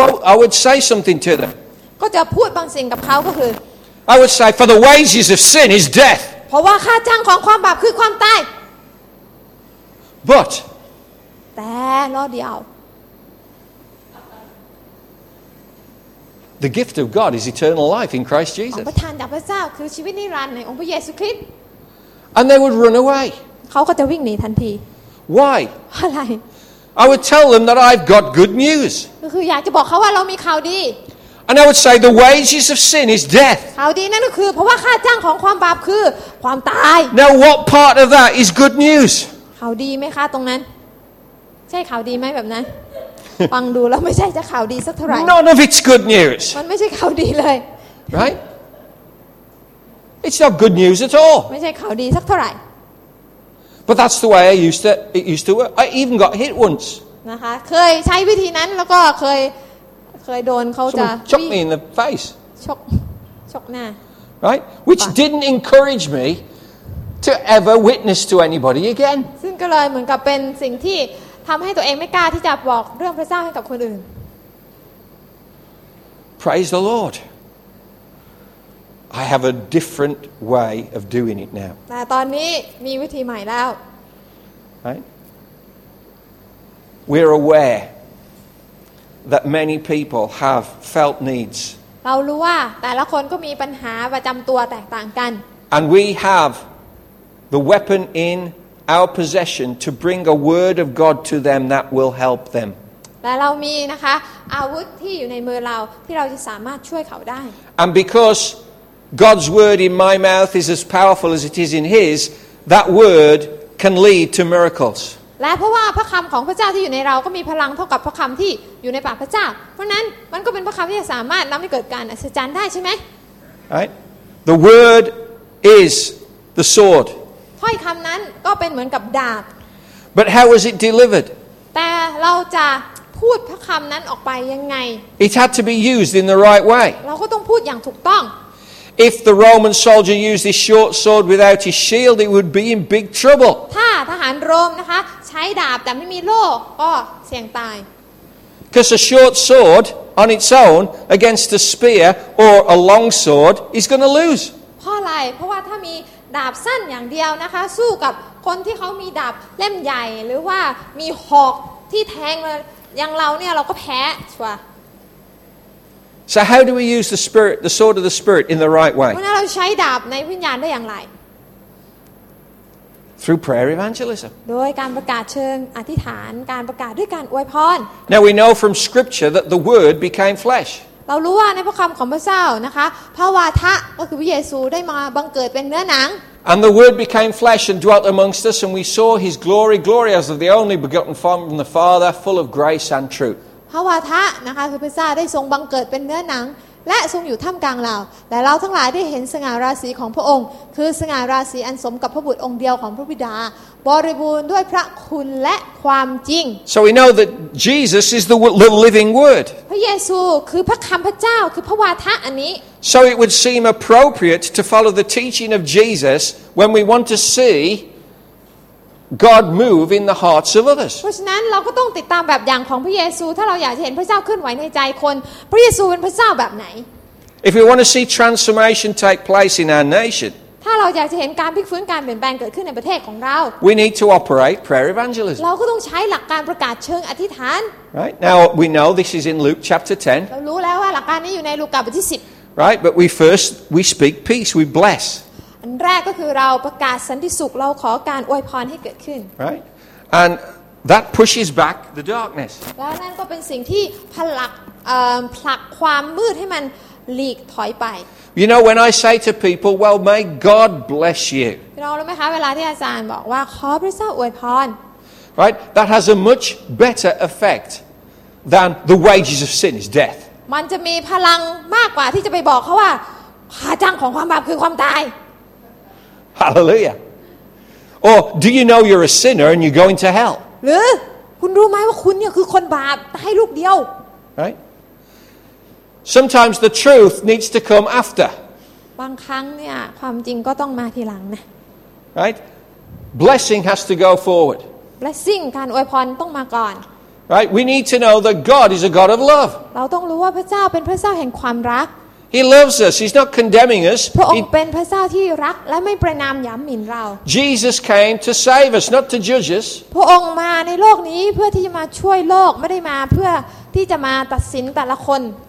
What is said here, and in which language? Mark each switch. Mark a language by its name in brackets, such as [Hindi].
[English] I would say something to them. [Thai] ก็จะพูดบางสิ่งกับเขาก็คือ [English] I would say, for the wages of sin is death. [Thai] เพราะว่าค่าจ้างของความบาปคือความตาย [English] But [Thai] แต่รอเดียว [English] The gift of God is eternal life in Christ Jesus. [Thai] ของประทานจากพระเจ้าคือชีวิตนิรันดร์ในองค์พระเยซูคริสต์ [English] And they would run away. [Thai] เขาก็จะวิ่งหนีทันที [English] Why? [Thai] อะไร [English] I would tell them that I've got good news. [Thai] คืออยากจะบอกเขาว่าเรามีข่าวดี [English] And I would say the wages of sin is death. [Thai] ข่าวดีนั่นก็คือเพราะว่าค่าจ้างของความบาปคือความตาย [English] Now what part of that is good news? [Thai] ข่าวดีไหมคะตรงนั้นใช่ข่าวดีไหมแบบนั้นฟังดูแล้วไม่ใช่จะข่าวดีสักเท่าไหร่ [English] None of it's good news. [Thai] มันไม่ใช่ข่าวดีเลย [English] Right? It's not good news at all. [Thai] ไม่ใช่ข่าวดีสักเท่าไหร่ [English] But that's the way I used to. It used to work. I even got hit once. [Thai] นะคะเคยใช้วิธีนั้นแล้วก็เคยโดนเขาจะ ชก [English] me in the face. [Thai] ชกหน้า [English] Right? Which didn't encourage me to ever witness to anybody again. [Thai] ซึ่งก็เลยเหมือนกับเป็นสิ่งที่ทำให้ตัวเองไม่กล้าที่จะบอกเรื่องพระเจ้าให้กับคนอื่น [English] Praise the Lord. I have a different way of doing it now. [Thai] แต่ตอนนี้มีวิธีใหม่แล้ว [English] We're aware that many people have felt needs. [Thai] เรารู้ว่าแต่ละคนก็มีปัญหาประจำตัวแตกต่างกัน [English] And we have the weapon in our possession to bring a word of God to them that will help them. [Thai] และเรามีนะคะอาวุธที่อยู่ในมือเราที่เราจะสามารถช่วยเขาได้ [English] And becauseGod's word in my mouth is as powerful as it is in His. That word can lead to miracles. [Thai] และเพราะว่าพระคำของพระเจ้าที่อยู่ในเราก็มีพลังเท่ากับพระคำที่อยู่ในปากพระเจ้าเพราะนั้นมันก็เป็นพระคำที่จะสามารถทำให้เกิดการอัศจรรย์ได้ใช่ไหม [English] Right. The word is the sword. [Thai] ถ้อยคำนั้นก็เป็นเหมือนกับดาบ [English] But how was it delivered? [Thai] แต่เราจะพูดพระคำนั้นออกไปยังไง [English] It had to be used in the right way. [Thai] เราก็ต้องพูดอย่างถูกต้อง [English] If the Roman soldier used his short sword without his shield, it would be in big trouble. [Thai] ถ้าทหารโรมนะคะใช้ดาบแต่ไม่มีโล่ก็เสี่ยงตาย [English] Because a short sword on its own against a spear or a long sword is going to lose. [Thai] เพราะอะไรเพราะว่าถ้ามีดาบสั้นอย่างเดียวนะคะสู้กับคนที่เขามีดาบเล่มใหญ่หรือว่ามีหอกที่แทงอย่างเราเนี่ยเราก็แพ้ชัว [English] So how do we use the spirit, the sword of the spirit, in the right way? [Thai] เราใช้ดาบในวิญญาณได้อย่างไร [English] Through prayer evangelism. [Thai] โดยการประกาศเชิงอธิษฐานการประกาศด้วยการอวยพร [English] Now we know from Scripture that the Word became flesh. [Thai] เรารู้ว่าในพระคำของพระเจ้านะคะพระวาทะก็คือพระเยซูได้มาบังเกิดเป็นเนื้อหนัง [English] And the Word became flesh and dwelt amongst us, and we saw His glory, glory as of the only begotten from the Father, full of grace and truth. [Thai] พระวาทะนะคะคือพระเจ้าได้ทรงบังเกิดเป็นเนื้อหนังและทรงอยู่ท่ามกลางเราและเราทั้งหลายได้เห็นสง่าราศีของพระองค์คือสง่าราศีอันสมกับพระบุตรองค์เดียวของพระบิดาบริบูรณ์ด้วยพระคุณและความจริง [English] So we know that Jesus is the living word [Thai] พระเยซูคือพระคำพระเจ้าคือพระวาทะอันนี้ [English] So it would seem appropriate to follow the teaching of Jesus when we want to seeGod move in the hearts of others. [Thai] เพราะฉะนั้นเราก็ต้องติดตามแบบอย่างของพระเยซูถ้าเราอยากจะเห็นพระเจ้าเคลื่อนไหวในใจคนพระเยซูเป็นพระเจ้าแบบไหน [English] If we want to see transformation take place in our nation, [Thai] ถ้าเราอยากจะเห็นการพลิกฟื้นการเปลี่ยนแปลงเกิดขึ้นในประเทศของเรา [English] We need to operate prayer evangelism [Thai] เราก็ต้องใช้หลักการประกาศเชิงอธิษฐาน [English] Right now we know this is in Luke chapter 10 [Thai] เรารู้แล้วว่าหลักการนี้อยู่ในลูกาบทที่10 [English] Right but we speak peace we bless [Thai] อันแรกก็คือเราประกาศสันติสุขเราขอการอวยพรให้เกิดขึ้น [English] Right andThat pushes back the darkness. [Thai] แล้วนั่นก็เป็นสิ่งที่ผลักความมืดให้มันหลีกถอยไป [English] You know when I say to people, well may God bless you. [Thai] พี่น้องรู้ไหมคะเวลาที่อาจารย์บอกว่าขอพระเจ้าอวยพร [English] Right, that has a much better effect than the wages of sin is death. [Thai] มันจะมีพลังมากกว่าที่จะไปบอกเขาว่าค่าจ้างของความบาปคือความตาย [English] Hallelujah. Or do you know you're a sinner and you're going to hell? [Thai] หรือคุณรู้ไหมว่าคุณเนี่ยคือคนบาปตายลูกเดียว [English] Right Sometimes the truth needs to come after [Thai] บางครั้งเนี่ยความจริงก็ต้องมาทีหลังนะ [English] Right Blessing has to go forward [Thai] Blessing การอวยพรต้องมาก่อน [English] Right We need to know that God is a God of love [Thai] เราต้องรู้ว่าพระเจ้าเป็นพระเจ้าแห่งความรัก [English] He loves us He's not condemning us [Thai] พระองค์เป็นพระเจ้าที่รักและไม่ประณามหยามหมิ่นเรา [English] Jesus came to save us not to judge us [Thai] พระองค์มาในโลกนี้เพื่อที่จะมาช่วยโลกไม่ได้มาเพื่อที่จะมาตัดสินแต่ละคน